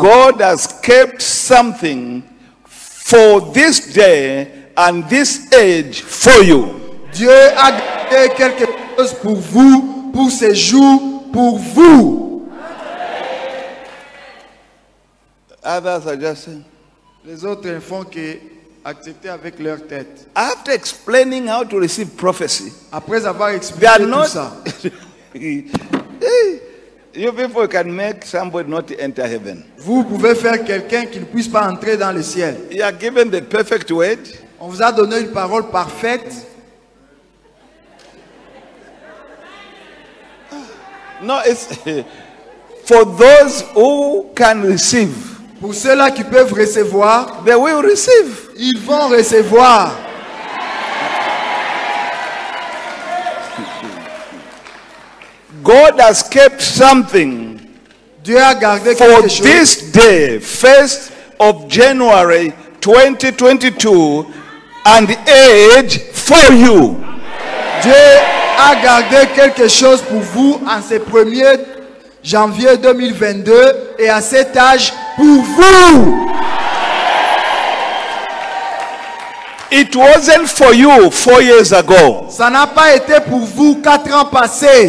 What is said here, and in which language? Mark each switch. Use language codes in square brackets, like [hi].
[en] God has kept something for this day and this age for you. [fr] Dieu a gardé quelque chose pour vous, pour ces jours, pour vous. [en] Others are just saying. [fr] Les autres font que accepter avec leur tête. [en] After explaining how to receive prophecy, [fr] après avoir expliqué tout ça, [en] you people can make somebody not enter heaven. [fr] Vous pouvez faire quelqu'un qui ne puisse pas entrer dans le ciel. [en] You are given the perfect word. [fr] On vous a donné une parole parfaite. [en] No, it's for those who can receive. [fr] Pour ceux-là qui peuvent recevoir, [en] they will receive. [fr] Ils vont recevoir. [en] God has kept something. [fr] Dieu a gardé [en] for [fr] quelque chose. [en] This day, 1st of January 2022, and the age for you. [fr] Dieu a gardé quelque chose pour vous en ce 1er janvier 2022 et à cet âge pour vous. [en] It wasn't for you 4 years ago. [fr] Ça n'a pas été pour vous 4 ans passés.